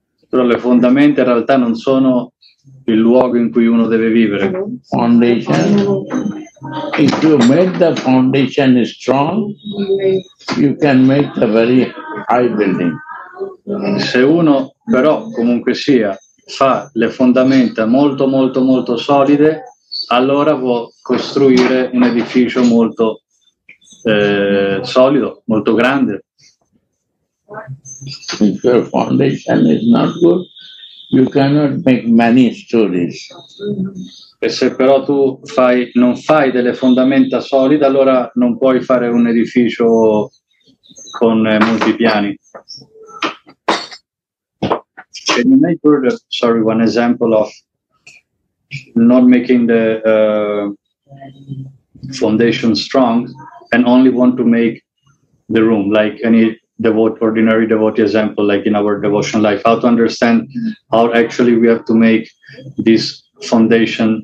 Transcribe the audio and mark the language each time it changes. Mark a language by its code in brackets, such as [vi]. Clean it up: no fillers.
[it] Però le fondamenta in realtà non sono il luogo in cui uno deve vivere. [en] Foundation. If you make the foundation strong, you can make a very high building. [it] Se uno però comunque sia fa le fondamenta molto molto molto solide, allora può costruire un edificio molto solido, molto grande. [en] If your foundation is not good, you cannot make many stories. [it] E se però tu fai, non fai delle fondamenta solide, allora non puoi fare un edificio con molti piani. [en] Can you make one example of not making the foundation strong and only want to make the room, like any devote, ordinary devotee example, like in our devotional life, how to understand how actually we have to make this foundation.